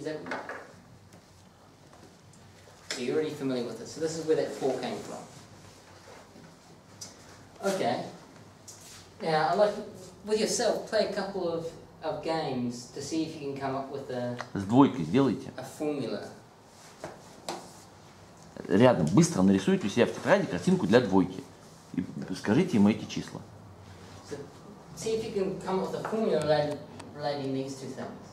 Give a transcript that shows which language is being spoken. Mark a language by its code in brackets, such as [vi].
[en] So you're already familiar with it. So this is where that 4 came from. Okay. Now, I'd like with yourself play a couple of games to see if you can come up with a. [ru] С двойкой сделайте. [en] A formula. [ru] Рядом быстро нарисуйте у себя в тетради картинку для двойки и скажите ему эти числа. [en] So, see if you can come up with a formula relating these two things.